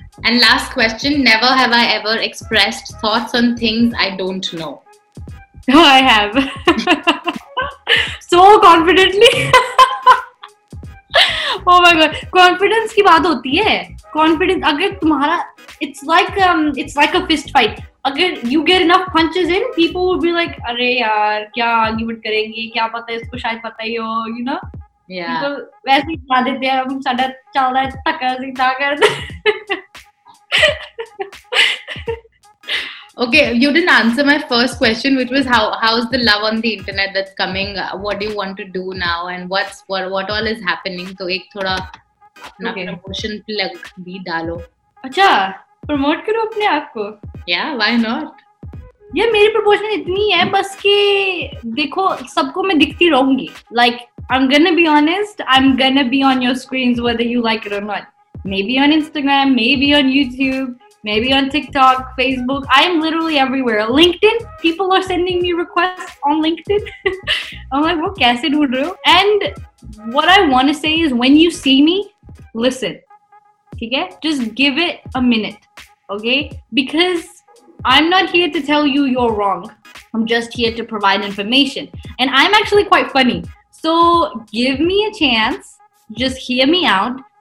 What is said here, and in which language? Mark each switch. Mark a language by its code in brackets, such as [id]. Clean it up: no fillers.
[en] And last question, never have I ever expressed thoughts on things I don't know. Oh, I have. So confidently. Oh my god. Confidence [hi] ki baat hoti hai. [en] Confidence, [hi] agar tumhara, [en] it's like a fist fight. अगर you get enough punches in, people will be like [hi] अरे यार क्या argument करेंगे, क्या पता है इसको, शायद पता ही हो, यू नो. या वैसे ही बना देते हैं हम, [pa] साडा चलदा है टक्कर सी टक्कर. [en] Okay you didn't answer my first question which was how is the love on the internet that's coming, what do you want to do now and what's what all is happening. [hi] तो एक थोड़ा अपना promotion plug भी डालो. अच्छा promote करो अपने आप को. [en] Yeah, why not? [hi] Yeah, मेरी प्रपोजल इतनी है बस कि देखो सबको मैं दिखती रहूंगी. [en] Like I'm gonna be honest, I'm gonna be on your screens whether you like it or not. Maybe on Instagram, maybe on YouTube, maybe on TikTok, Facebook. I'm literally everywhere. LinkedIn, people are sending me requests on LinkedIn. I'm like, [hi] वो कैसे ढूंढ रहे हो? [en] And what I want to say is, when you see me, listen. [hi] ठीक है? [en] Just give it a minute. Okay, because I'm not here to tell you you're wrong. I'm just here to provide information. And I'm actually quite funny. So give me a chance. Just hear me out.